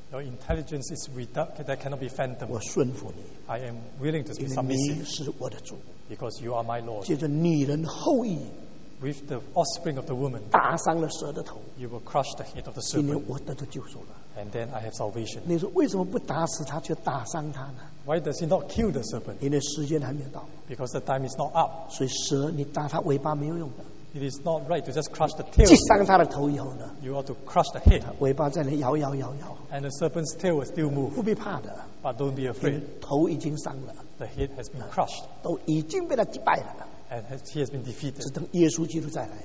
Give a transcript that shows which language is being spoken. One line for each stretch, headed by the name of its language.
English: Your intelligence is without that cannot be fathomed.
Chinese: 我顺服你。
English: I am willing to be submissive.
Chinese: 因为你是我的主。
English: Because you are my Lord.
Chinese: 借着女人后裔。
English: With the offspring of the woman.
Chinese: 打伤了蛇的头。
English: You will crush the head of the serpent.
Chinese: 因为我得到救赎了。
English: And then I have salvation.
Chinese: 你说为什么不打死他，却打伤他呢？
English: Why does he not kill the serpent?
Chinese: 因为时间还没有到。
English: Because the time is not up.
Chinese: 所以蛇，你打它尾巴没有用的。
English: It is not right to just crush the tail.
Chinese: 击伤它的头以后呢？
English: You ought to crush the head.
Chinese: 尾巴在那摇摇摇摇。
English: And the serpent's tail will still move.
Chinese: 不必怕的。
English: But don't be afraid.
Chinese: 头已经伤了。
English: The head has been crushed.
Chinese: 都已经被它击败了。
English: And he has been defeated.
Chinese: 只等耶稣基督再来。